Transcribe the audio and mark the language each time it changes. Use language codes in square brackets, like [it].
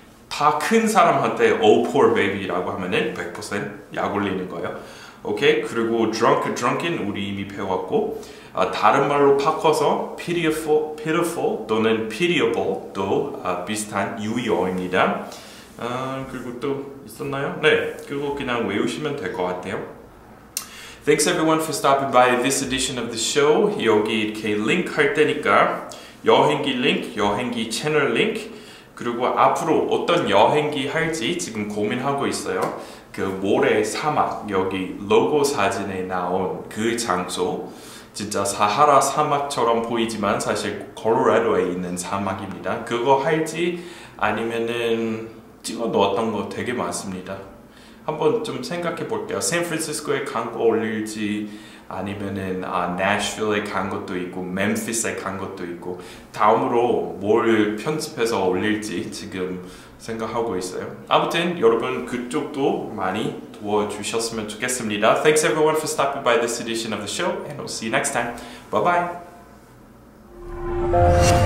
[ko] 다 큰 사람한테 Oh, poor baby 라고 하면은 100% 약 올리는 거예요. 오케이? 그리고 drunk, drunken 우리 이미 배웠고 다른 말로 바꿔서 pitiful 또는 pitiable 또 비슷한 유의어입니다. 그리고 또 있었나요? 네, 그거 그냥 외우시면 될 것 같아요. [en] Thanks everyone for stopping by this edition of the show. [ko] 여기 이렇게 링크 할 테니까 여행기 링크, 여행기 채널 링크 그리고 앞으로 어떤 여행기 할지 지금 고민하고 있어요. 그 모래 사막 여기 로고 사진에 나온 그 장소 진짜 사하라 사막처럼 보이지만 사실 콜로라도에 있는 사막입니다. 그거 할지 아니면은 찍어 놓았던 거 되게 많습니다. 한번 좀 생각해 볼게요. 샌프란시스코에 광고 올릴지 아니면은 내셔빌에 간 것도 있고 멤피스에 간 것도 있고 다음으로 뭘 편집해서 올릴지 지금 생각하고 있어요. 아무튼 여러분 그쪽도 많이 도와주셨으면 좋겠습니다. [en] Thanks everyone for stopping by this edition of the show and I'll see you next time. Bye bye.